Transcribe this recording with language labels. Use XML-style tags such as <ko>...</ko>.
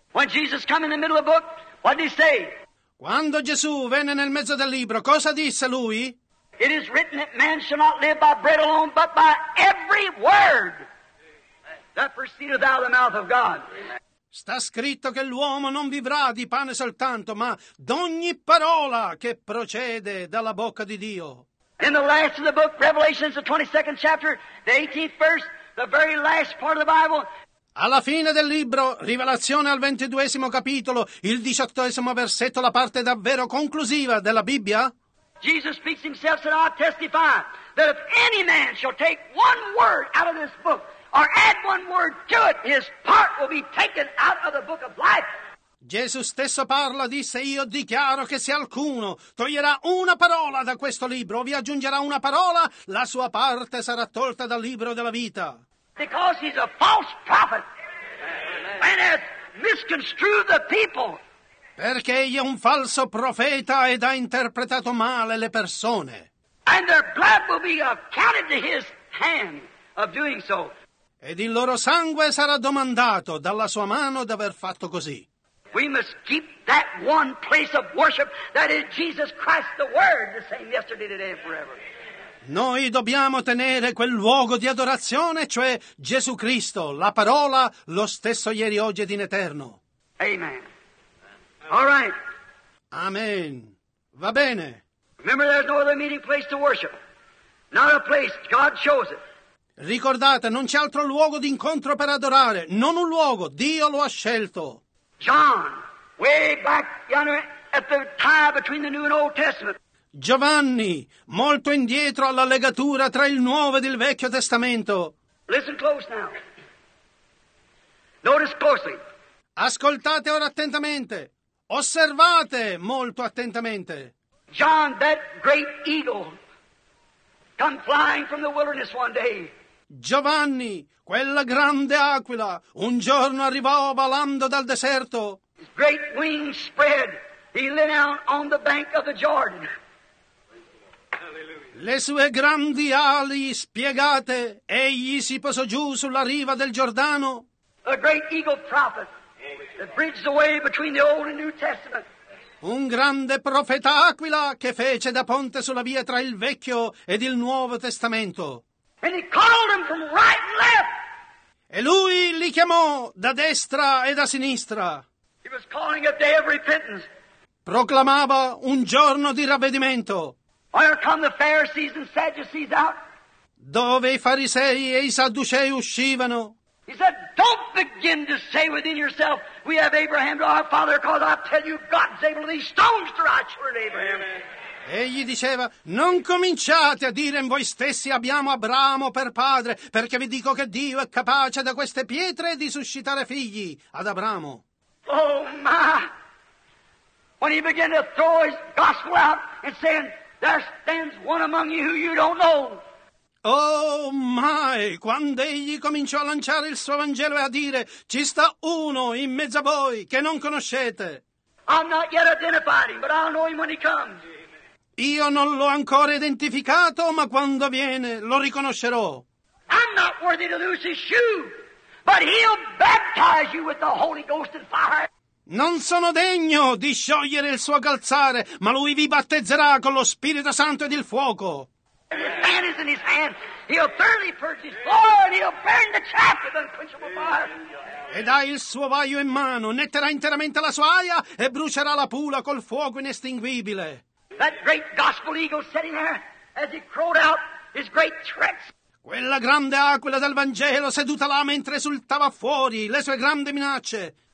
<en>When Jesus came in the middle of the book, what did he say?</en> <it>Quando Gesù venne nel mezzo del libro, cosa disse lui?</it> <en>It is written that man shall not live by bread alone, but by every word that proceedeth out of the mouth of God.</en> <it>Sta scritto che l'uomo non vivrà di pane soltanto, ma d'ogni parola che procede dalla bocca di Dio.</it> <en>In the last of the book, Revelation, the 22nd chapter, the 18th verse, the very last part of the Bible.</en> <it>Alla fine del libro, Rivelazione al 22esimo capitolo, il 18esimo versetto, la parte davvero conclusiva della Bibbia.</it> <en>Jesus speaks himself, said, I testify that if any man shall take one word out of this book, or add one word to it, his part will be taken out of the book of life.</en> <it>Gesù stesso parla, disse, io dichiaro che se alcuno toglierà una parola da questo libro, vi aggiungerà una parola, la sua parte sarà tolta dal libro della vita.</it> <en>Because he's a false prophet and has misconstrued the people.</en> <it>Perché egli è un falso profeta ed ha interpretato male le persone.</it> <en>And their blood will be accounted to his hand of doing so.</en> <it>Ed il loro sangue sarà domandato dalla sua mano d'aver fatto così.</it> <en>We must keep that one place of worship that is Jesus Christ the Word, the same yesterday, today and forever.</en> <it>Noi dobbiamo tenere quel luogo di adorazione, cioè Gesù Cristo, la parola, lo stesso ieri, oggi ed in eterno.</it> <en>Amen. All right.</en> <it>Amen. Va bene.</it> <en>Remember, there's no other meeting place to worship. Not a place. God chose it.</en> <it>Ricordate, non c'è altro luogo di incontro per adorare. Non un luogo. Dio lo ha scelto.</it> <en>John, way back yonder at the tie between the New and Old Testament.</en> <it>Giovanni, molto indietro alla legatura tra il Nuovo ed il Vecchio Testamento.</it> <en>Listen close now. Notice closely.</en> <it>Ascoltate ora attentamente. Osservate molto attentamente.</it> <en>John, that great eagle, come flying from the wilderness one day.</en> <it>Giovanni, quella grande aquila, un giorno arrivò volando dal deserto.</it> <en>His great wings spread. He lay down on the bank of the Jordan.</en> <it>Le sue grandi ali spiegate, egli si posò giù sulla riva del Giordano.</it> <en>A great eagle prophet that bridged the way between the Old and New Testament.</en> <it>Un grande profeta aquila che fece da ponte sulla via tra il Vecchio ed il Nuovo Testamento.</it> <en>And he called him from right and left.</en> <it>E lui li chiamò da destra e da sinistra.</it> <en>He was calling a day of repentance.</en> <it>Proclamava un giorno di ravvedimento.</it> <en>Where come the Pharisees and Sadducees out?</en> <it>Dove i farisei e i sadducei uscivano?</it> <en>He said, "Don't begin to say within yourself, 'We have Abraham to our father,' because I tell you, God's able these stones to our children, Abraham."</en> <it>Egli diceva, non cominciate a dire in voi stessi abbiamo Abramo per padre, perché vi dico che Dio è capace da queste pietre di suscitare figli ad Abramo.</it> <en>Oh my! When he began to throw his gospel out and saying, there stands one among you who you don't know. Oh my!</en> <it>Quando egli cominciò a lanciare il suo Vangelo e a dire, ci sta uno in mezzo a voi che non conoscete.</it> <en>I'm not yet identified him, but I'll know him when he comes.</en> <it>Io non l'ho ancora identificato, ma quando viene lo riconoscerò.</it> <en>I'm not worthy to lose his shoe, but he'll baptize you with the Holy Ghost and fire.</en> <it>Non sono degno di sciogliere il suo calzare, ma lui vi battezzerà con lo Spirito Santo ed il fuoco.</it> <en>And his fan is in his hand. He'll thoroughly purge his floor and he'll burn the chaff with unquenchable fire.</en> <it>Ed ha il suo vaio in mano, netterà interamente la sua aia e brucerà la pula col fuoco inestinguibile.</it> <en>That great gospel eagle sitting there as he crowed out his great threats.</en> <it>Quella grande aquila del Vangelo seduta là mentre esultava fuori le sue grandi minacce.</it>